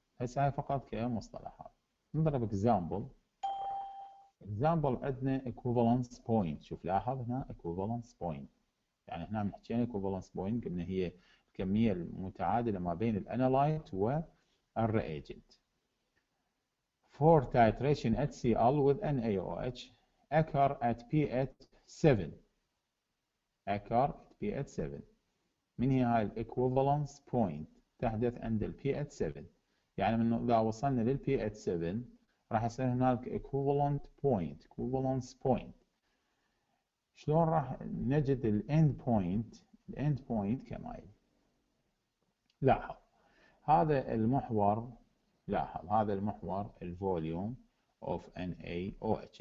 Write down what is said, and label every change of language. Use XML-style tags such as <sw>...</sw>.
<ar>هسه هاي فقط كمصطلحات. نضرب example. Example عندنا equivalence point. شوف لاحظ هنا equivalence point, يعني هنا محتاجين equivalence point قلنا هي الكمية المتعادلة ما بين الـ analyte و الـ reagent.</ar> <en>For titration at Cl with NaOH occur at pH 7. occur at pH 7</en> <ar>من هي هاي equivalence point, تحدث عند الـ pH 7. يعني من إذا وصلنا للـ pH 7 راح يصير هناك equivalent point. equivalence point شلون راح نجد الـ end point؟ الـ end point كما لاحظ هذا المحور, لاحظ هذا المحور الـ volume of NaOH.</ar>